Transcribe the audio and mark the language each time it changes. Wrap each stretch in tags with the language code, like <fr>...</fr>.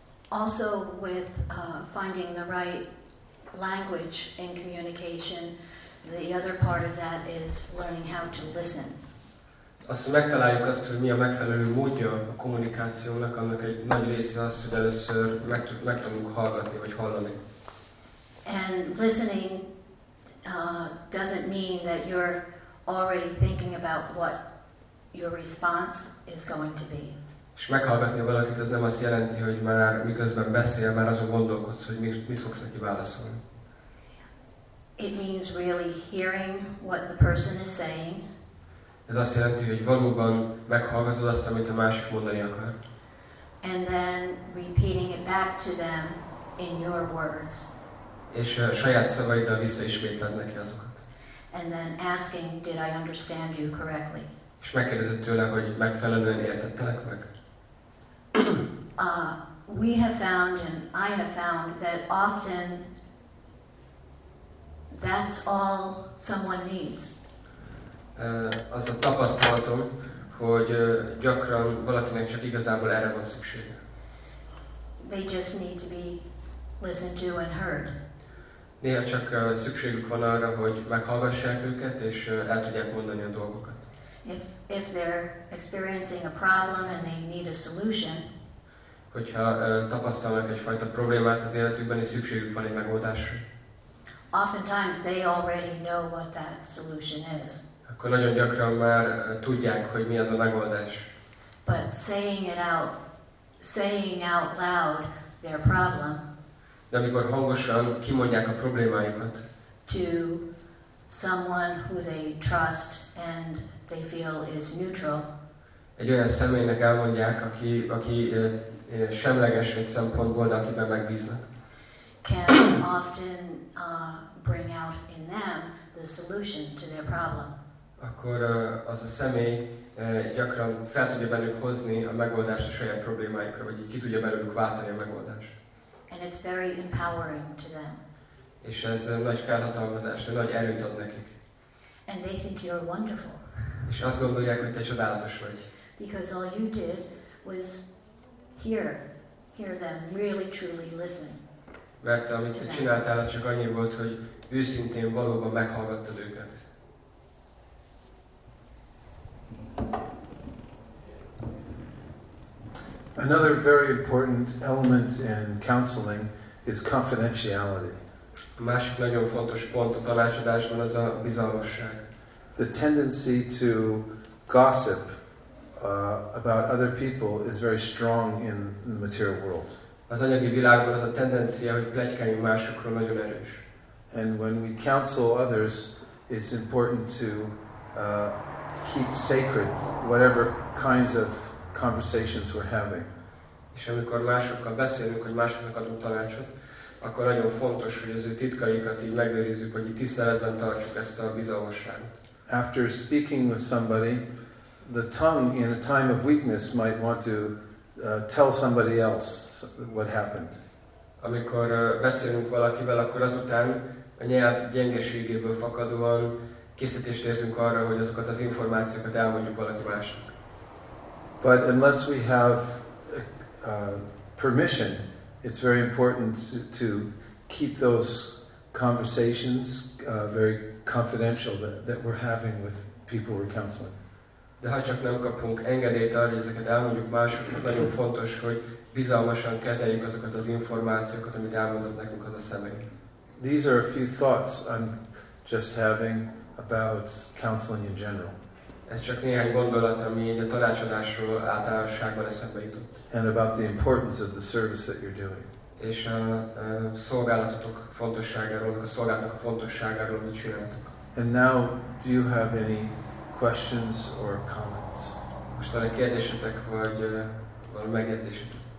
<en>Also, with finding the right language in communication, the other part of that is learning how to listen.</en> <hu>Azt, hogy megtaláljuk azt, hogy mi a megfelelő módja a kommunikációnak, annak egy nagy része az, hogy először megtanulunk hallgatni, vagy hallani.</hu> <en>And listening doesn't mean that you're already thinking about what your response is going to be.</en> <hu>És meghallgatni valakit, az nem azt jelenti, hogy már miközben beszél, már azon gondolkodsz, hogy mit fogsz neki válaszolni.</hu> <en>It means really hearing what the person is saying.</en> <hu>Ez azt jelenti, hogy valóban meghallgatod azt, amit a másik mondani akar.</hu> <en>And then repeating it back to them in your words.</en> <hu>És saját szavaiddal visszaismétled neki azokat.</hu> <en>And then asking, did I understand you correctly?</en> <hu>És megkérdezed tőle, hogy megfelelően értettelek meg?</hu> <en>We have found and I have found that often that's all someone needs.</en> <hu>Az a tapasztalatom, hogy gyakran valakinek csak igazából erre van szüksége.</hu> <en>They just need to be listened to and heard.</en> <hu>Néha csak szükségük van arra, hogy meghallgassák őket és el tudják mondani a dolgokat.</hu> <en>If they're experiencing a problem and they need a solution.</en> <hu>Hogyha tapasztalnak egyfajta problémát az életükben, és szükségük van egy megoldásra.</hu> <en>Oftentimes they already know what that solution is.</en> <hu>Akkor nagyon gyakran már tudják, hogy mi az a megoldás.</hu> <en>But saying out loud their problem.</en> <hu>De amikor hangosan kimondják a problémájukat.</hu> <en>To someone who they trust and they feel is neutral.</en> <hu>Egy olyan személynek elmondják, aki semleges egy szempontból, de akiben megbíznak.</hu> <en>Can often bring out in them the solution to their problem.</en> <hu>Akkor az a személy gyakran fel tudja bennük hozni a megoldást a saját problémáikra, vagy így ki tudja belőlük váltani a megoldást.</hu> <en>And it's very empowering to them.</en> <hu>És ez nagy felhatalmazás, nagy erőt ad nekik.</hu> <en>And they think you're wonderful.</en> <hu>És azt gondolják, hogy te csodálatos vagy.</hu> <en>Because all you did was hear them really truly listen.</en> <hu>Mert amit te csináltál, az csak annyi volt, hogy őszintén valóban meghallgattad őket.</hu> <en>Another very important element in counseling is confidentiality.</en> <hu>A másik nagyon fontos pont a tanácsadásban az a bizalmasság.</hu> <en>The tendency to gossip about other people is very strong in the material world.</en> <hu>Az anyagi világban az a tendencia, hogy pletykáljunk másokról, nagyon erős.</hu> <en>And when we counsel others, it's important to keep sacred whatever kinds of conversations we're having.</en> <hu>És amikor másokkal beszélünk, hogy másoknak adunk tanácsot, akkor nagyon fontos, hogy az ő titkaikat így megőrizzük, hogy így tiszteletben tartsuk ezt a bizalmasságot.</hu> <en>After speaking with somebody, the tongue in a time of weakness might want to tell somebody else what happened.</en> <hu>Amikor beszélünk valakivel, akkor azután a nyelv gyengeségéből fakadóan készítést érzünk arra, hogy azokat az információkat elmondjuk valaki másnak.</hu> <en>But unless we have permission, it's very important to keep those conversations very confidential that we're having with people we're counseling.</en> <hu>De ha csak nem kapunk engedélyt arra, hogy ezeket elmondjuk másoknak, nagyon fontos, hogy bizalmasan kezeljük azokat az információkat, amit elmondott nekünk az a személy.</hu> <en>These are a few thoughts I'm just having about counseling in general.</en> <hu>Ez csak néhány gondolat, ami így a tanácsadásról általánosságban eszembe jutott.</hu> <en>And about the importance of the service that you're doing.</en> <hu>És a szolgálatotok fontosságáról, a szolgálatok fontosságáról, amit csináltok.</hu> <en>And now, do you have any questions or comments?</en> <hu>Most van egy kérdésetek, vagy valami megjegyzésetek?</hu>